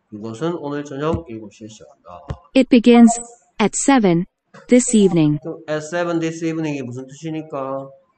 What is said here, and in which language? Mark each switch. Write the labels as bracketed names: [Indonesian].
[Korean] 그것은 오늘 저녁 7시에 시작한다. [English] It begins at 7 this evening. At 7 this evening [Korean] 이 무슨 뜻이니까?